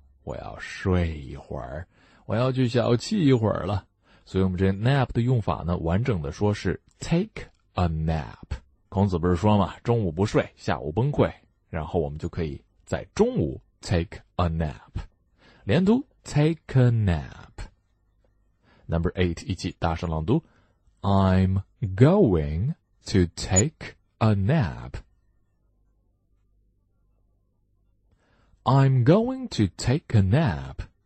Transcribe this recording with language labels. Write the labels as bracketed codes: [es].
[zh] 我要睡一会儿，我要去小憩一会儿了。所以我们这 nap 的用法呢，完整的说是 [en] take a nap. [zh] 孔子不是说嘛，中午不睡，下午崩溃，然后我们就可以在中午 [en] take a nap. [zh] 连读 [en] take a nap. Number eight, [zh] 一起大声朗读。 [en] I'm going to take a nap. I'm going to take a nap.